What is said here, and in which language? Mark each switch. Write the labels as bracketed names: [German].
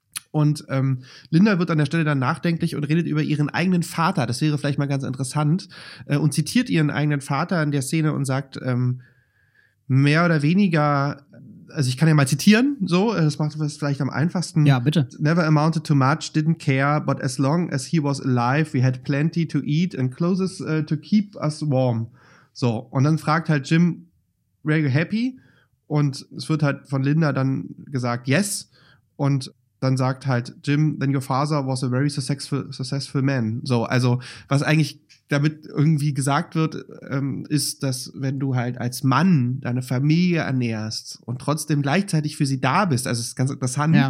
[German] Und Linda wird an der Stelle dann nachdenklich und redet über ihren eigenen Vater, das wäre vielleicht mal ganz interessant, und zitiert ihren eigenen Vater in der Szene und sagt, mehr oder weniger, also ich kann ja mal zitieren, so, das macht es vielleicht am einfachsten. Ja, bitte. [English] Never amounted to much, didn't care, but as long as he was alive, we had plenty to eat and clothes to keep us warm. [German] So, und dann fragt halt Jim, [English] were you happy? [German] Und es wird halt von Linda dann gesagt, yes, und dann sagt halt Jim, [English] then your father was a very successful man. [German] So, also was eigentlich damit irgendwie gesagt wird, ist, dass wenn du halt als Mann deine Familie ernährst und trotzdem gleichzeitig für sie da bist, also es ist ganz interessant,